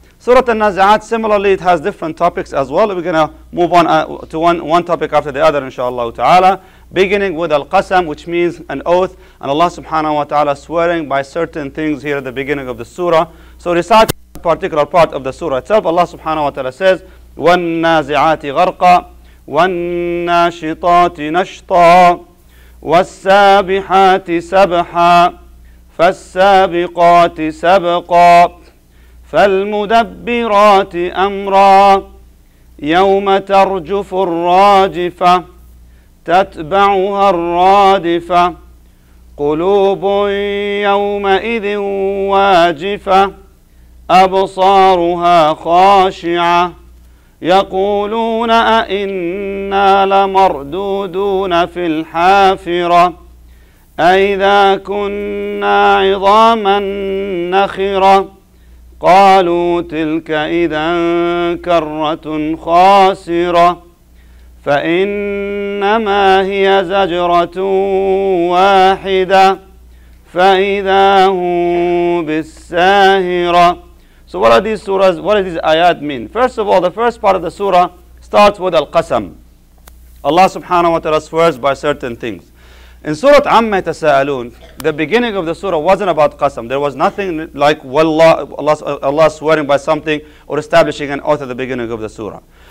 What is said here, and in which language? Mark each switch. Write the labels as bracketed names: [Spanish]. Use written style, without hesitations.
[English] Surah An-Nazi'at, similarly, it has different topics as well. We're going to move on to one topic after the other, inshallah ta'ala. Beginning with Al-Qasam, which means an oath, and Allah subhanahu wa ta'ala swearing by certain things here at the beginning of the surah. So recite a particular part of the surah itself. [Arabic] Allah subhanahu wa ta'ala says, وَالنَّازِعَاتِ غَرْقَى وَالنَّاشِطَاتِ نَشْطًا وَالسَّابِحَاتِ سَبْحًا فَالسَّابِقَاتِ سَبْقًا فالمدبرات أمرا يوم ترجف الراجفة تتبعها الرادفة قلوب يومئذ واجفة أبصارها خاشعة يقولون أئنا لمردودون في الحافرة أئذا كنا عظاما نخرة قالوا تلك إذا كرة خاسرة فإنما هي زجرة واحدة فإذا هم بالساهرة. [English] So what are these surahs, what does these ayat mean? First of all, the first part of the surah starts with Al-Qasam. Allah subhanahu wa ta'ala swears by certain things. In Surah Amma Yatasa'alun, the beginning of the surah wasn't about Qasam. There was nothing like Allah swearing by something or establishing an oath at the beginning of the surah.